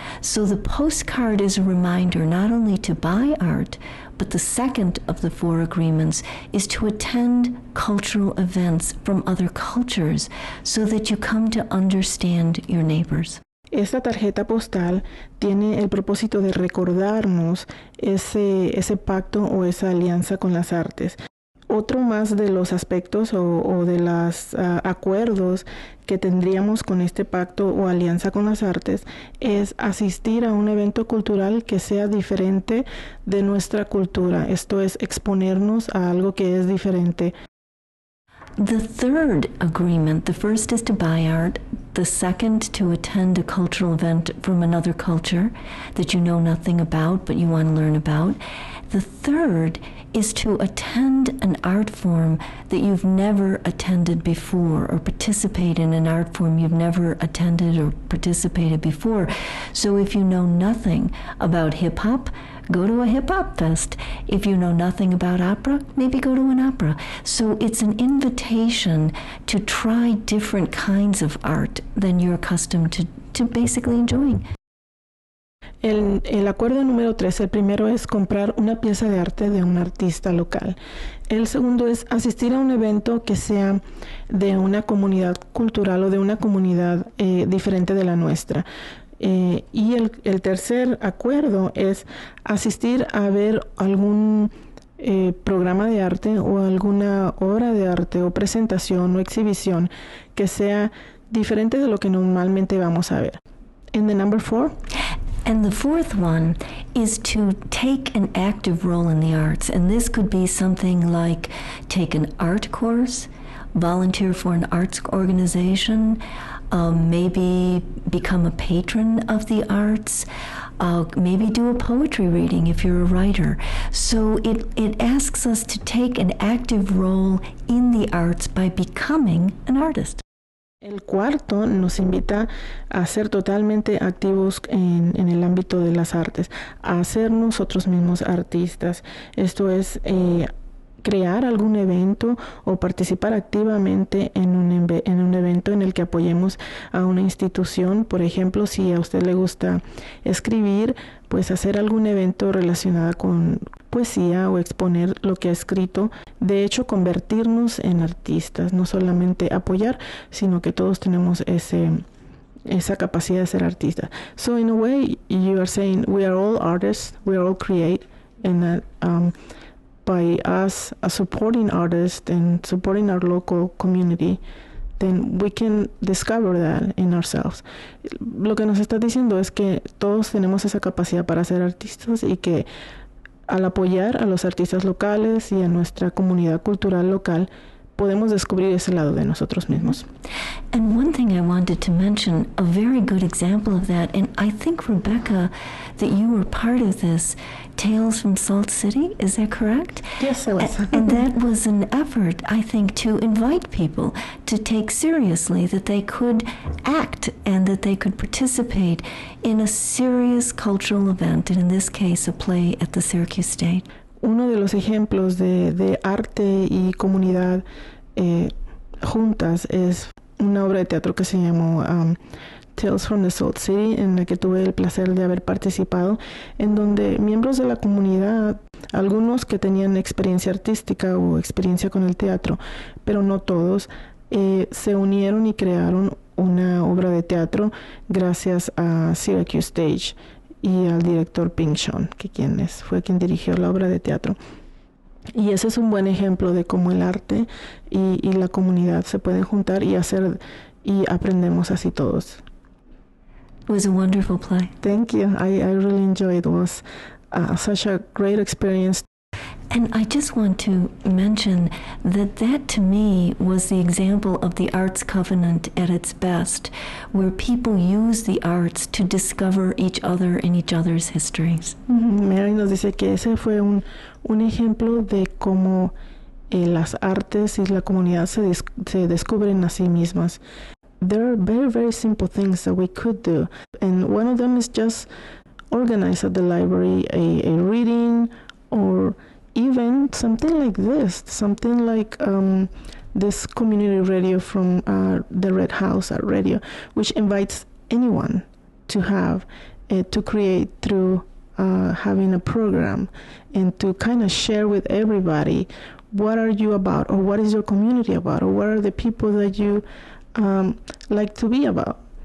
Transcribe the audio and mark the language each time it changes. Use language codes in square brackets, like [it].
[en] So the postcard is a reminder not only to buy art, but the second of the four agreements is to attend cultural events from other cultures so that you come to understand your neighbors. [es] Esta tarjeta postal tiene el propósito de recordarnos ese pacto o esa alianza con las artes. Otro más de los aspectos o de los acuerdos que tendríamos con este pacto o alianza con las artes es asistir a un evento cultural que sea diferente de nuestra cultura. Esto es exponernos a algo que es diferente. [en] The third agreement, the first is to buy art, the second to attend a cultural event from another culture that you know nothing about but you want to learn about. The third is to attend an art form that you've never attended before or participate in an art form you've never attended or participated before. So if you know nothing about hip hop, go to a hip hop fest. If you know nothing about opera, maybe go to an opera. So it's an invitation to try different kinds of art than you're accustomed to basically enjoying. [es] El acuerdo número tres, el primero es comprar una pieza de arte de un artista local. El segundo es asistir a un evento que sea de una comunidad cultural o de una comunidad diferente de la nuestra. Y el tercer acuerdo es asistir a ver algún programa de arte o alguna obra de arte o presentación o exhibición que sea diferente de lo que normalmente vamos a ver. [en] And the number four. And the fourth one is to take an active role in the arts. And this could be something like take an art course, volunteer for an arts organization, maybe become a patron of the arts, maybe do a poetry reading if you're a writer. So it asks us to take an active role in the arts by becoming an artist. [es] El cuarto nos invita a ser totalmente activos en el ámbito de las artes, a ser nosotros mismos artistas. Esto es crear algún evento o participar activamente en un evento en el que apoyemos a una institución. Por ejemplo, si a usted le gusta escribir, pues hacer algún evento relacionado con poesía o exponer lo que ha escrito. De hecho, convertirnos en artistas, no solamente apoyar, sino que todos tenemos esa capacidad de ser artistas. [en] So in a way, you are saying we are all artists, we are all create, and that by us supporting artists and supporting our local community, then we can discover that in ourselves. [es] Lo que nos está diciendo es que todos tenemos esa capacidad para ser artistas y que al apoyar a los artistas locales y a nuestra comunidad cultural local, podemos descubrir ese lado de nosotros mismos. [en] And one thing I wanted to mention, a very good example of that, and I think, Rebecca, that you were part of this, Tales from Salt City, is that correct? Yes, I was. And that was an effort, I think, to invite people to take seriously that they could act and that they could participate in a serious cultural event, and in this case, a play at the Syracuse State. [es] Uno de los ejemplos de arte y comunidad juntas es una obra de teatro que se llamó Tales from the Salt City, en la que tuve el placer de haber participado, en donde miembros de la comunidad, algunos que tenían experiencia artística o experiencia con el teatro, pero no todos, se unieron y crearon una obra de teatro gracias a Syracuse Stage y al director Ping Chong, que quien es, fue quien dirigió la obra de teatro. Y ese es un buen ejemplo de cómo el arte y la comunidad se pueden juntar y hacer, y aprendemos así todos. [en] It was a wonderful play. Thank you. I really enjoyed it. It was such a great experience. And I just want to mention that to me was the example of the arts covenant at its best, where people use the arts to discover each other in each other's histories. [es] Mary nos dice que ese fue un ejemplo de cómo las artes y la comunidad se descubren a sí mismas. [en] There are very, very simple things that we could do. And one of them is just organize at the library a reading or even something like this, something like this community radio from the Red House Radio, which invites anyone to have to create through having a program and to kind of share with everybody what are you about, or what is your community about, or what are the people that you like to be about.